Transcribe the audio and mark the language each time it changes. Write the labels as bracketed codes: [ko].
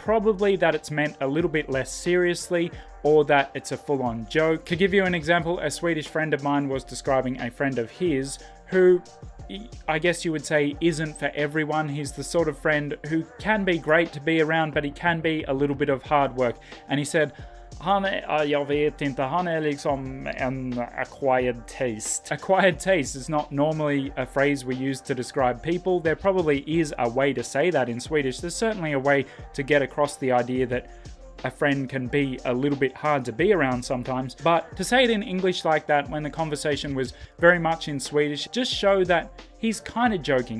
[en] Probably that it's meant a little bit less seriously, or that it's a full-on joke. To give you an example, a Swedish friend of mine was describing a friend of his who, I guess you would say, isn't for everyone. He's the sort of friend who can be great to be around, but he can be a little bit of hard work. And he said, [sv] Han är liksom en [en] acquired taste. Acquired taste is not normally a phrase we use to describe people. There probably is a way to say that in Swedish. There's certainly a way to get across the idea that a friend can be a little bit hard to be around sometimes. But to say it in English like that when the conversation was very much in Swedish just show that he's kind of joking.